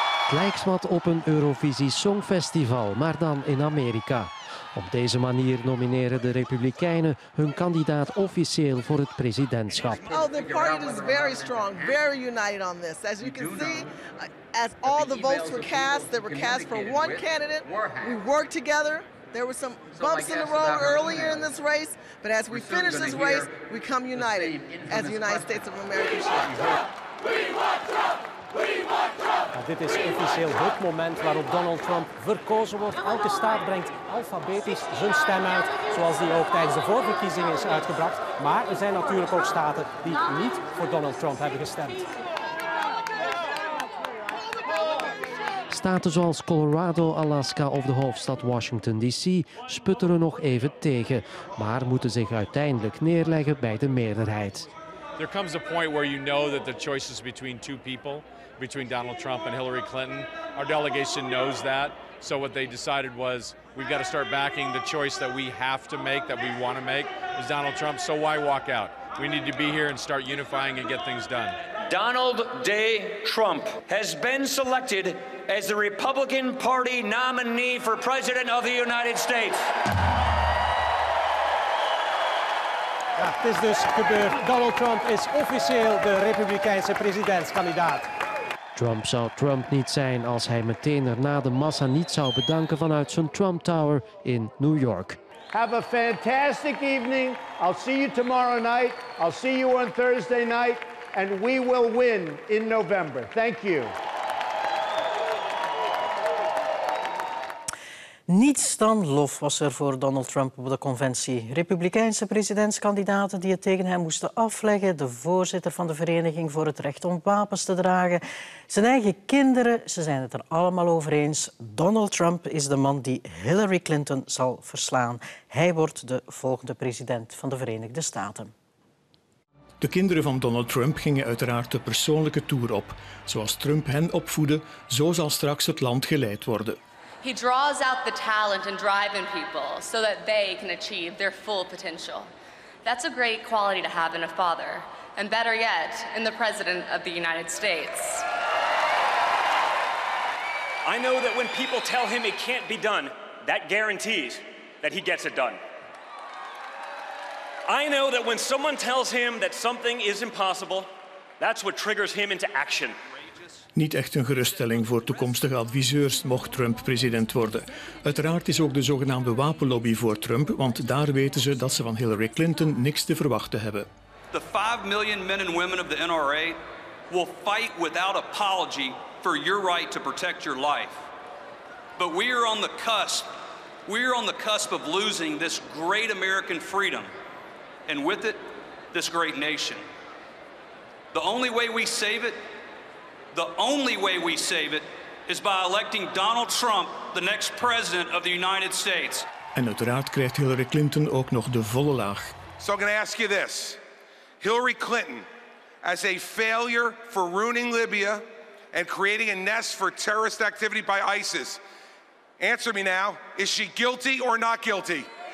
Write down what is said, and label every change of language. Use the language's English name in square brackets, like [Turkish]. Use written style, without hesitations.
[Dutch] Het lijkt wat op een Eurovisie Songfestival, maar dan in Amerika. Op deze manier nomineren de Republikeinen hun kandidaat officieel voor het presidentschap. [English] Oh, the party is very strong, very united on this. As you can see, as all the votes were cast, they were cast for one candidate. We worked together. There were some bumps in the road earlier in this race, but as we finish this race, we come united as the United States of America. We want Trump! We want Trump! [Dutch] Ja, dit is officieel het moment waarop Donald Trump verkozen wordt. Elke staat brengt alfabetisch zijn stem uit, zoals die ook tijdens de voorverkiezingen is uitgebracht. Maar er zijn natuurlijk ook staten die niet voor Donald Trump hebben gestemd. Staten zoals Colorado, Alaska of de hoofdstad Washington DC sputteren nog even tegen, maar moeten zich uiteindelijk neerleggen bij de meerderheid. [English] There comes a point where you know that the choices between two people, between Donald Trump and Hillary Clinton, our delegation knows that. So what they decided was, we've got to start backing the choice that we have to make, that we want to make, is Donald Trump. So why walk out? We need to be here and start unifying and get things done. Donald J. Trump has been selected as the Republican Party nominee for President of the United States. [Dutch] Ja, het is dus gebeurd. Donald Trump is officieel de Republikeinse presidentskandidaat. Trump zou Trump niet zijn als hij meteen erna de massa niet zou bedanken vanuit zijn Trump Tower in New York. [English] Have a fantastic evening. I'll see you tomorrow night. I'll see you on Thursday night. And we will win in November. Thank you. [Dutch] Niets dan lof was er voor Donald Trump op de conventie. Republikeinse presidentskandidaten die het tegen hem moesten afleggen, de voorzitter van de Vereniging voor het Recht om Wapens te Dragen, zijn eigen kinderen, ze zijn het er allemaal over eens. Donald Trump is de man die Hillary Clinton zal verslaan. Hij wordt de volgende president van de Verenigde Staten. De kinderen van Donald Trump gingen uiteraard de persoonlijke toer op. Zoals Trump hen opvoedde, zo zal straks het land geleid worden. [English] He draws out the talent and drive in people so that they can achieve their full potential. That's a great quality to have in a father, and better yet, in the President of the United States. I know that when people tell him it can't be done, that guarantees that he gets it done. I know that when someone tells him that something is impossible, that's what triggers him into action. [Dutch] Niet echt een geruststelling voor toekomstige adviseurs mocht Trump president worden. Uiteraard is ook de zogenaamde wapenlobby voor Trump, want daar weten ze dat ze van Hillary Clinton niks te verwachten hebben. [English] The 5 million men and women of the NRA will fight without apology for your right to protect your life. But we are on the cusp. We are on the cusp of losing this great American freedom and with it this great nation. The only way we save it is by electing Donald Trump the next president of the United States. [Dutch] En uiteraard krijgt Hillary Clinton ook nog de volle laag. [English] So I'm going to ask you this. Hillary Clinton, as a failure for ruining Libya and creating a nest for terrorist activity by ISIS, answer me now, is she guilty or not guilty?